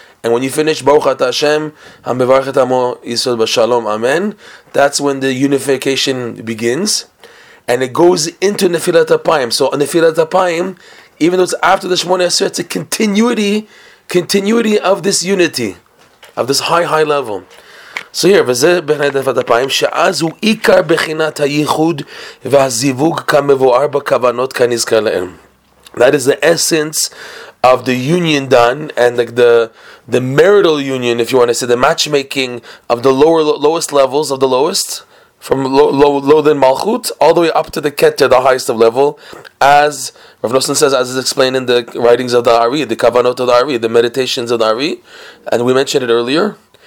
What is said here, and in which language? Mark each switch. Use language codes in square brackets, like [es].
[en] And when you finish, [he] Baruch Atah Hashem, HaMevarech Et Amo Yisrael B'Shalom, Amen, [en] that's when the unification begins. And it goes into Nefilat Apayim. So Nefilat Apayim, even though it's after the Shemoneh Esrei, it's a continuity of this unity, of this high level. So here, [he] וזה בחינת נפילת אפיים, שאז הוא עיקר בחינת הייחוד והזיווג כמבואר בכוונות כנזכר לאל. [en] That is the essence of the union done, and the marital union, if you want to say, the matchmaking of the lowest levels of the lowest, from low than Malchut, all the way up to the Keter, the highest of level, as Rav Nosson says, as is explained in the writings of the Ari, the Kavanot of the Ari, the meditations of the Ari, and we mentioned it earlier.